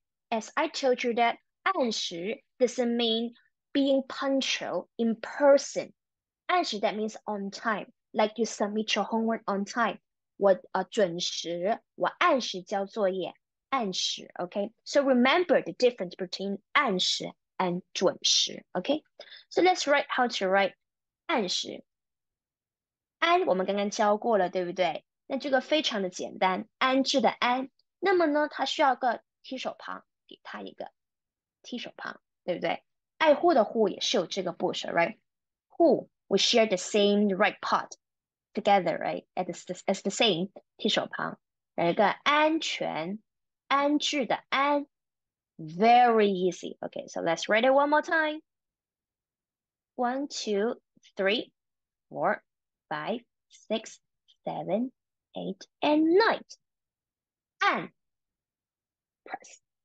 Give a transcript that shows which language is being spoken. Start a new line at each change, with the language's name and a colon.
English: As I told you that 按时 doesn't mean being punctual in person. 按时, that means on time. Like you submit your homework on time.
Chinese: 我准时，我按时交作业，按时, okay?
English: So remember the difference between 按时 and 准时, okay? So let's write how to write 按时.
Chinese: 安我们刚刚教过了，对不对？那这个非常的简单, 安置的安, 那么呢,它需要个提手旁,给它一个提手旁, 对不对? 爱护的护也是有这个部首, right?
English: 护, we share the same right part together, right? It's the same,
Chinese: 提手旁, 来一个安全, 安置的安,
English: very easy. Okay, so let's write it one more time. 1, 2, 3, 4, 5, 6, 7, 8, and 9. An. Press.